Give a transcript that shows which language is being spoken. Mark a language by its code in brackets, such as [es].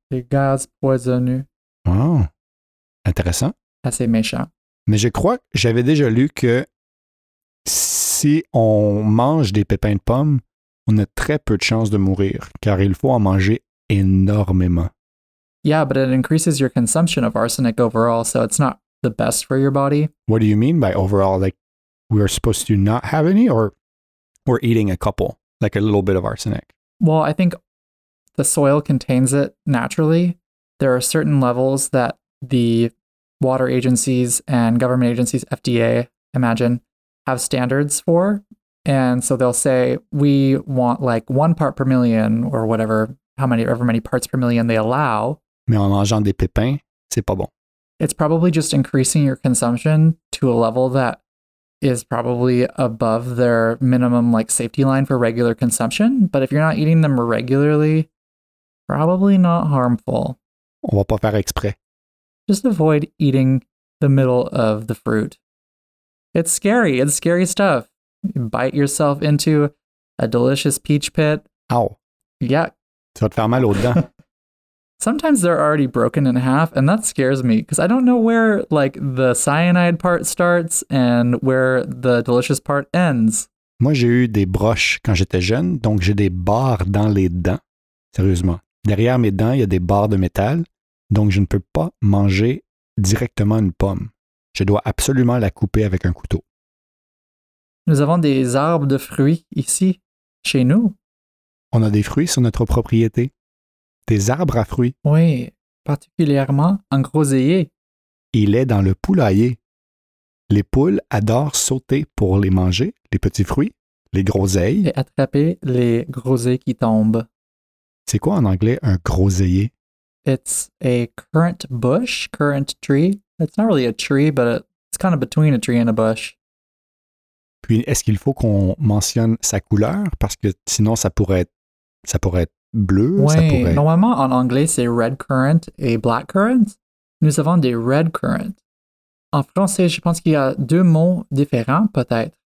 [fr] Des gaz poisonneux. Wow. Intéressant. Assez méchant. Mais je crois que j'avais déjà lu que si on mange des pépins de pommes, on a très peu de chances de mourir, car il faut en manger énormément. [en] Yeah, but it increases your consumption of arsenic overall, so it's not the best for your body. What do you mean by overall? Like, we are supposed to not have any, or we're eating a couple, like a little bit of arsenic? Well, I think the soil contains it naturally. There are certain levels that the water agencies and government agencies, FDA, imagine, have standards for. And so they'll say, we want like one part per million or whatever. However many parts per million they allow. [fr] Mais en mangeant des pépins, c'est pas bon. [en] It's probably just increasing your consumption to a level that is probably above their minimum like safety line for regular consumption. But if you're not eating them regularly, probably not harmful. [fr] On va pas faire exprès. [en] Just avoid eating the middle of the fruit. It's scary. It's scary stuff. You bite yourself into a delicious peach pit. Ow. Yeah. [fr] Ça va te faire mal aux dents. [en] Sometimes they're already broken in half, and that scares me, because I don't know where, like, the cyanide part starts and where the delicious part ends. [fr] Moi, j'ai eu des broches quand j'étais jeune, donc j'ai des barres dans les dents, sérieusement. Derrière mes dents, il y a des barres de métal, donc je ne peux pas manger directement une pomme. Je dois absolument la couper avec un couteau. Nous avons des arbres de fruits ici, chez nous. On a des fruits sur notre propriété. Des arbres à fruits. Oui, particulièrement un groseillier. Il est dans le poulailler. Les poules adorent sauter pour les manger, les petits fruits, les groseilles. Et attraper les groseilles qui tombent. C'est quoi en anglais un groseillier? [en] It's a currant bush, currant tree. It's not really a tree, but it's kind of between a tree and a bush. [fr] Puis, est-ce qu'il faut qu'on mentionne sa couleur? Parce que sinon, ça pourrait être bleu. Oui, ça pourrait... normalement, en anglais, c'est red currant et black currant. Nous avons des red currant. En français, je pense qu'il y a deux mots différents, peut-être.